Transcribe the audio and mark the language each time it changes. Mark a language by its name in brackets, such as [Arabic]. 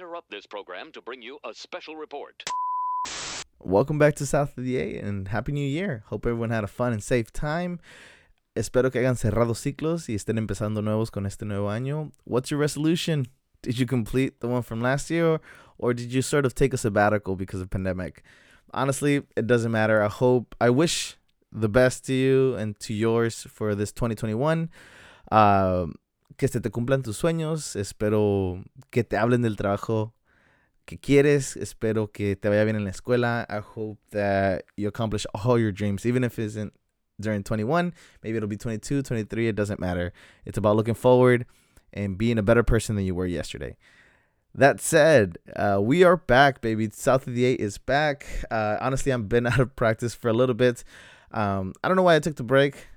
[English] this program to bring you a special report. Welcome back to South of the A and Happy New Year. Hope everyone had a fun and safe time. [Spanish] Espero que hayan cerrado ciclos y estén empezando nuevos con este nuevo año. [English] What's your resolution? Did you complete the one from last year, or did you sort of take a sabbatical because of pandemic? Honestly, it doesn't matter. I wish the best to you and to yours for this 2021. [Spanish] Que se te cumplan tus sueños. Espero que te hablen del trabajo que quieres. Espero que te vaya bien en la escuela. [English] I hope that you accomplish all your dreams, even if it isn't during 21. Maybe it'll be 22, 23. It doesn't matter. It's about looking forward and being a better person than you were yesterday. That said, we are back, baby. South of the Eight is back. Honestly, I've been out of practice for a little bit. I don't know why I took the break.